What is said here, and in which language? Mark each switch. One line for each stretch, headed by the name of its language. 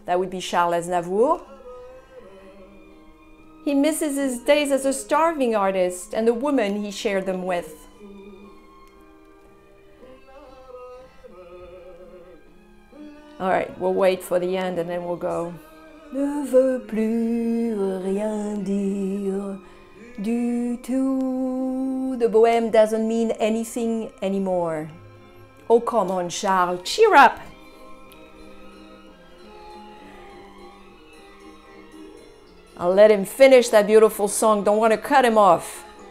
English: That would be Charles Aznavour. He misses his days as a starving artist and the woman he shared them with. All right, we'll wait for the end and then we'll go.
French: Ne veux plus rien dire du tout.
English: The Bohème doesn't mean anything anymore. Oh, come on, Charles, cheer up. I'll let him finish that beautiful song. Don't want to cut him off.